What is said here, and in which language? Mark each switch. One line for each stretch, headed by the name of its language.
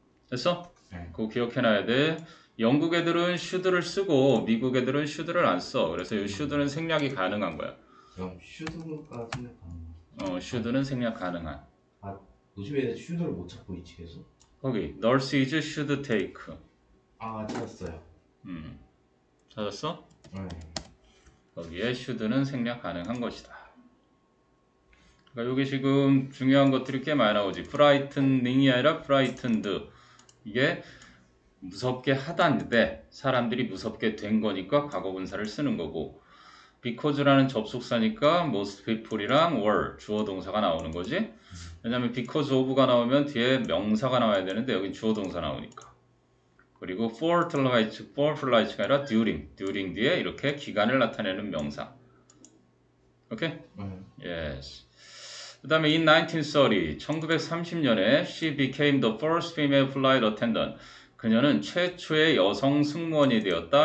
Korean: 됐어? 그거 기억해놔야 돼. 영국 애들은 should를 쓰고 미국 애들은 should를 안 써. 그래서 이 should는 생략이 가능한 거야. 그럼 should까지 가능한 거야? should는 생략 가능한. 아, 요즘에 should를 못 찾고 있지 계속?
English: 거기, nurses should take.
Korean: 아, 찾았어요. 찾았어? 네. 거기에 should는 생략 가능한 것이다. 그러니까 여기 지금 중요한 것들이 꽤 많이 나오지.
English: frightening이 아니라 frightened.
Korean: 이게 무섭게 하다는데 사람들이 무섭게 된 거니까 과거분사를 쓰는 거고 because라는 접속사니까 most people이랑 were 주어동사가 나오는 거지. 왜냐하면 because of가 나오면 뒤에 명사가 나와야 되는데 여긴 주어동사 나오니까. 그리고
English: for flight가 아니라 during. during
Korean: 뒤에 이렇게 기간을 나타내는 명사. 오케이? 네.
English: 예스.
Korean: 그 다음에
English: in 1930,
Korean: 1930년에
English: she became the first female flight attendant.
Korean: 그녀는 최초의 여성 승무원이 되었다.